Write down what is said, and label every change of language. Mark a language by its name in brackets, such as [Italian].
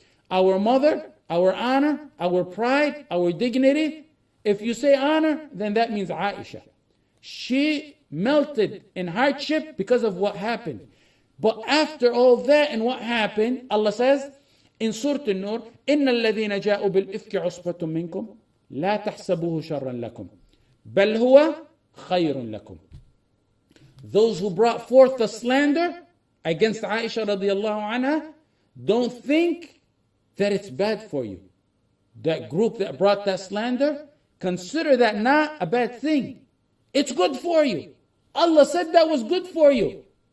[English] Our mother, our honor, our pride, our dignity. If you say honor, then that means Aisha. She melted in hardship because of what happened. But after all that and what happened, Allah says in Surah An-Nur, [Arabic] إِنَّ الَّذِينَ جَاءُوا بِالْإِفْكِ عُصْبَةٌ مِّنْكُمْ. لا تحسبوه شرا لكم بل هو خير لكم. [English] Those who brought forth the slander against Aisha رضي الله عنها, don't think that it's bad for you. That group that brought that slander, consider that not a bad thing. It's good for you. Allah said that was good for you.